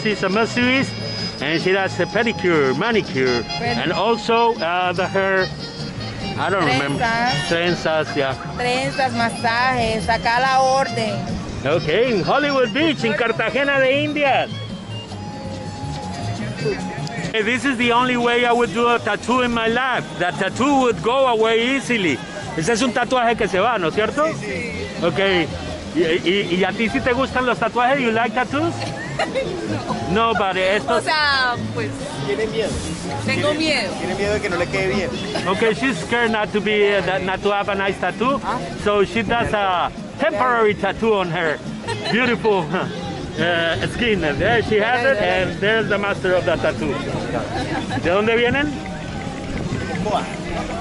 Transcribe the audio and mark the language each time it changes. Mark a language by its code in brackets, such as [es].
[en] She's a masseuse, and she does the pedicure, manicure, and also trenzas, yeah. [es] Trenzas, masajes, saca la orden. [en] Okay, in Hollywood Beach, in Cartagena de Indias. This is the only way I would do a tattoo in my life. That tattoo would go away easily. [es] Ese es un tatuaje que se va, ¿no es cierto? Sí, sí. [en] Okay. [es] ¿Y a ti si te gustan los tatuajes? [en] You like tattoos? No. No, but esto... [es] O sea, pues... Tiene miedo. Tengo miedo. Tiene miedo de que no le quede bien. [en] Okay, she's scared not to have a nice tattoo. Huh? So she does a temporary tattoo on her. Beautiful. skin, and there she has it, and there's the master of the tattoo. [es] ¿De dónde vienen? Bocoa.